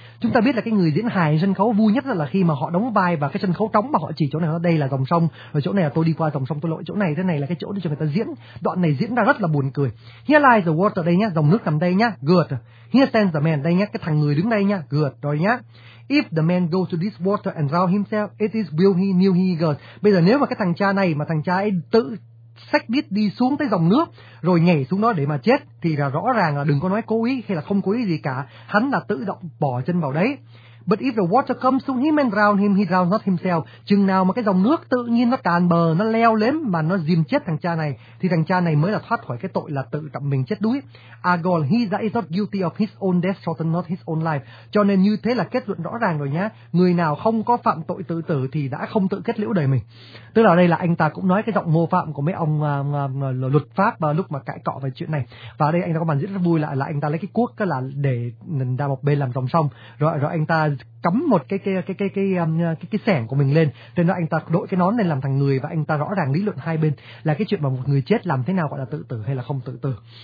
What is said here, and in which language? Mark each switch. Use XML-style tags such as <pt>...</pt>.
<vi>Chúng ta biết là cái người diễn hài sân khấu vui nhất là khi mà họ đóng vai và cái sân khấu trống mà họ chỉ chỗ này, đây là dòng sông, rồi chỗ này là tôi đi qua dòng sông, tôi lội chỗ này, thế này là cái chỗ để cho người ta diễn. Đoạn này diễn ra rất là buồn cười.</vi> <en>Here lies the water,</en> <vi>đây nhá, dòng nước nằm đây nhá, good.</vi> <en>Here stands the man,</en> <vi>đây nhá, cái thằng người đứng đây nhá, good, rồi nhá.</vi> <en>If the man goes to this water and drown himself, it is will he, knew he, good.</en> <vi>Bây giờ nếu mà cái thằng cha này, mà thằng cha ấy tự sách biết đi xuống tới dòng nước rồi nhảy xuống đó để mà chết thì là rõ ràng là đừng có nói cố ý hay là không cố ý gì cả, hắn là tự động bỏ chân vào đấy.</vi> <en>But if the water comes to him and drown him, he drowns not himself.</en> <vi>Chừng nào mà cái dòng nước tự nhiên nó tràn bờ, nó leo lên mà nó dìm chết thằng cha này, thì thằng cha này mới là thoát khỏi cái tội là tự trọng mình chết đuối.</vi> <en>Ergo, he that is not guilty of his own death, shall not his own life.</en> <vi>Cho nên như thế là kết luận rõ ràng rồi nhá. Người nào không có phạm tội tự tử thì đã không tự kết liễu đời mình. Tức là đây là anh ta cũng nói cái giọng mô phạm của mấy ông luật pháp vào lúc mà cãi cọ về chuyện này. Và đây anh ta có màn diễn rất vui là anh ta lấy cái cuốc là để ra một bên làm dòng sông, rồi anh ta cắm một cái sẻng của mình lên, nên là anh ta đội cái nón lên làm thằng người, và anh ta rõ ràng lý luận hai bên là cái chuyện mà một người chết làm thế nào gọi là tự tử hay là không tự tử.</vi>